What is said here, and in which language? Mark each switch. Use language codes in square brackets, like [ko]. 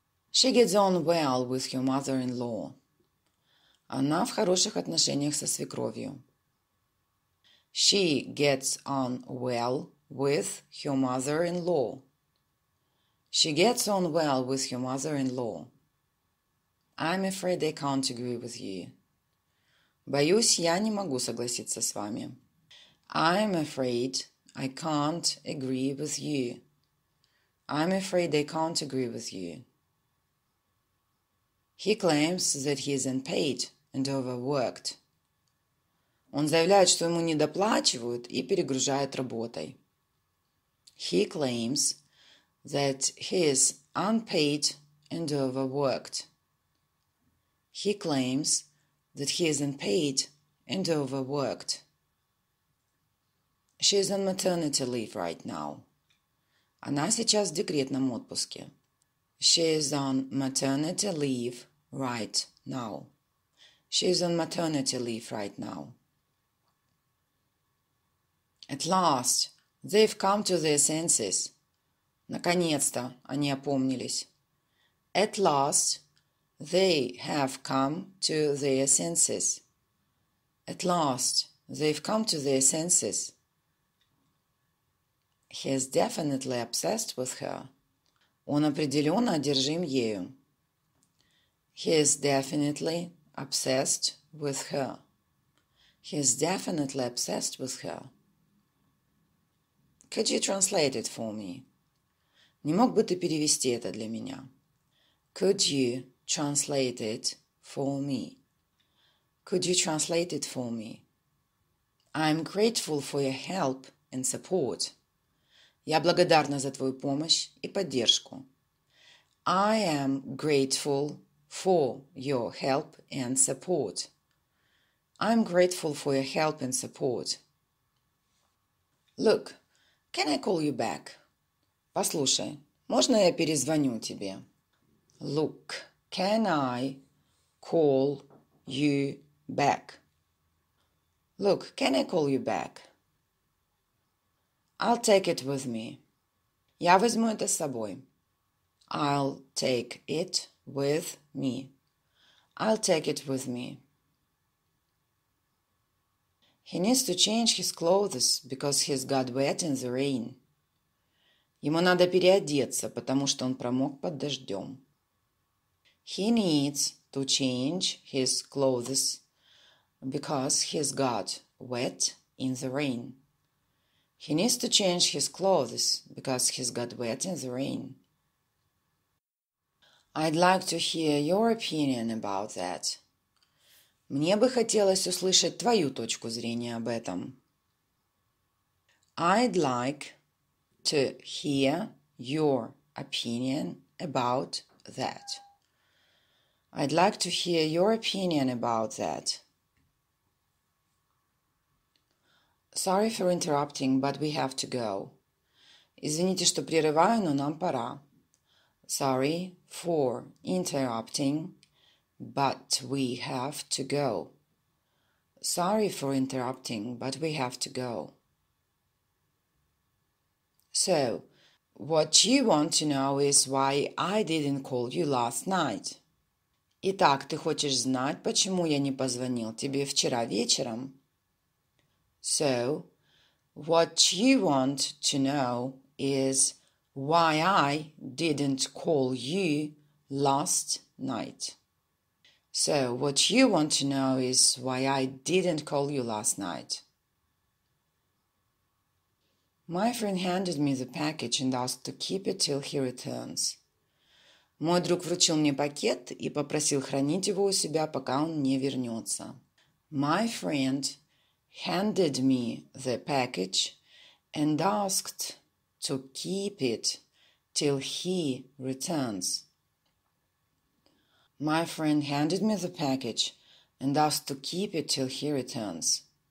[en] She gets on well with her mother-in-law. [ru] Она в хороших отношениях со свекровью. [en] She gets on well with her mother-in-law. She gets on well with your mother-in-law. I'm afraid I can't agree with you. [ru] Боюсь, я не могу согласиться с вами. [en] I'm afraid I can't agree with you. I'm afraid they can't agree with you. He claims that he isn't paid and overworked. [ru] Он заявляет, что ему недоплачивают и перегружают работой. [en] He claims that he is unpaid and overworked. He claims that he isn't paid and overworked. She is on maternity leave right now. [ru] Она сейчас в декретном отпуске. [en] She is on maternity leave right now. She is on maternity leave right now. At last, they've come to their senses. [ru] Наконец-то они опомнились. [en] At last, they have come to their senses. At last, they've come to their senses. He is definitely obsessed with her. [ru] Он определенно одержим ею. [en] He is definitely obsessed with her. He is definitely obsessed with her. Could you translate it for me? [ru] Не мог бы ты перевести это для меня? [en] Could you translate it for me? Could you translate it for me? I'm grateful for your help and support. [ru] Я благодарна за твою помощь и поддержку. [en] I am grateful for your help and support. I'm grateful for your help and support. Look. Can I call you back? [ru] Послушай, можно я перезвоню тебе? [en] Look, can I call you back? Look, can I call you back? I'll take it with me. [ru] Я возьму это с собой. [en] I'll take it with me. I'll take it with me. He needs to change his clothes because he's got wet in the rain. [ru] Ему надо переодеться, потому что он промок под дождем. [en] He needs to change his clothes because he's got wet in the rain. He needs to change his clothes because he's got wet in the rain. I'd like to hear your opinion about that. [ru] Мне бы хотелось услышать твою точку зрения об этом. [en] I'd like to hear your opinion about that. I'd like to hear your opinion about that. Sorry for interrupting, but we have to go. [ru] Извините, что прерываю, но нам пора. [en] Sorry for interrupting. But we have to go. Sorry for interrupting, but we have to go. So, what you want to know is why I didn't call you last night. [ru] Итак, ты хочешь знать, почему я не позвонил тебе вчера вечером? [en] So, what you want to know is why I didn't call you last night. So, what you want to know is why I didn't call you last night. My friend handed me the package and asked to keep it till he returns. [ru] Мой друг вручил мне пакет и попросил хранить его у себя, пока он не вернется. [en] My friend handed me the package and asked to keep it till he returns. My friend handed me the package and asked to keep it till he returns.